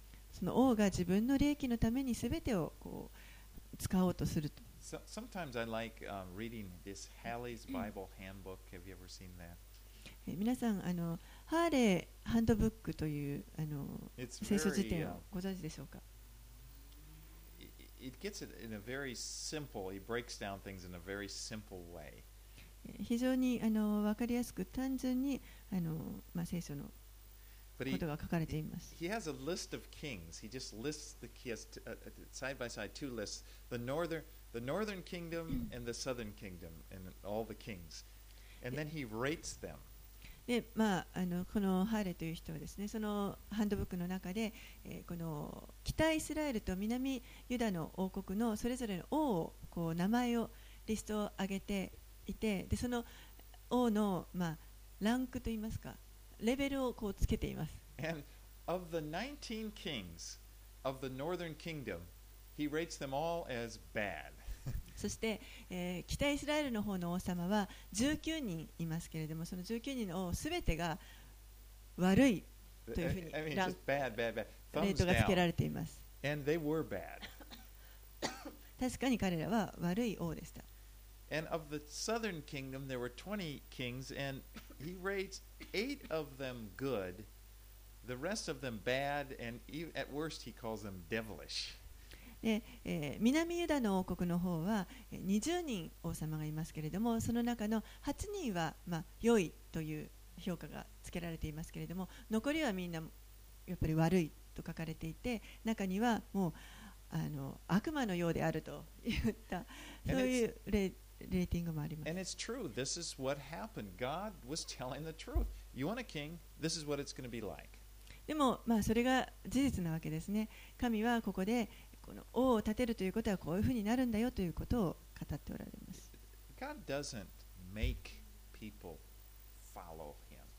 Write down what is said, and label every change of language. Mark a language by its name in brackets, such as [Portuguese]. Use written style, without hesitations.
[Japanese] その王が自分の利益のためにすべてをこう使おうとすると。 [English] Sometimes I like reading this Halley's Bible Handbook. Have you ever seen that? [Japanese] 皆さんハーレーハンドブックという聖書辞典をご存知でしょうか。 [English] It gets it in a very simple. It breaks down things in a very simple way. [Japanese] 非常に分かりやすく単純に聖書のことが書かれています。 [English] He has a list of kings. He just lists the kings side by side. Two lists: the northern kingdom and the southern kingdom, and all the kings. And then he rates them. [Japanese] で、このハーレという人はですね、そのハンドブックの中で、この北イスラエルと南ユダの王国のそれぞれの王をこう名前をリストを上げていて、でその王のランクといいますか。レベルをこうつけています。 [English] And of the 19 kings of the northern kingdom, he rates them all as bad. [Japanese] そして、北イスラエルの方の王様は19人いますけれども、その19人の王すべてが悪いというふうに [English] I mean, just bad, bad, bad. Thumbs down. [Japanese] レートがつけられています。 [English] And they were bad. [Japanese] 確かに彼らは悪い王でした。 [English] And of the southern kingdom, there were 20 kings, and he rates 8 of them good, the rest of them bad, and at worst he calls them devilish. [Japanese] で、南ユダの王国の方は20人王様がいますけれども、その中の8人は良いという評価がつけられていますけれども、残りはみんなやっぱり悪いと書かれていて、中にはもう悪魔のようであると言ったそういう例。レーティングもあります。 [English] And it's true. This is what happened. God was telling the truth. You want a king? This is what it's going to be like. [Japanese] でも、それが事実なわけですね。神はここでこの王を立てるということはこういうふうになるんだよということを語っておられます。 [English] God doesn't make people follow him.